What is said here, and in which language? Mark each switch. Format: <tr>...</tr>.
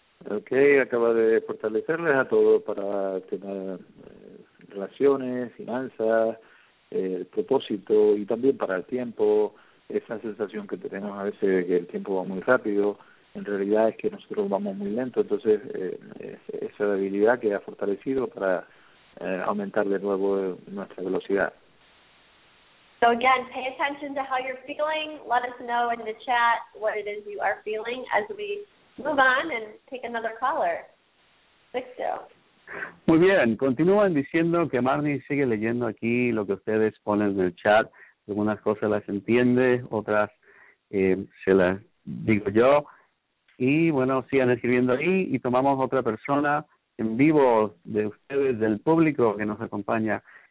<es>Okay, acaba de fortalecerles a todos para tener relaciones, finanzas, el propósito y también para el tiempo. Esa sensación que tenemos a veces de que el tiempo va muy rápido, en realidad es que nosotros vamos muy lento. Entonces, esa debilidad que ha fortalecido para aumentar de nuevo nuestra velocidad.</es> <en>So again, pay attention to how you're feeling. Let us know in the chat what it is you are feeling as we move on and take another caller. Sixto.</en> <es>Muy bien. Continúan diciendo que Marnie sigue leyendo aquí lo que ustedes ponen en el chat. Algunas cosas las entiende, otras se las digo yo. Y bueno, sigan escribiendo ahí y tomamos otra persona en vivo de ustedes, del público que nos acompaña.</es>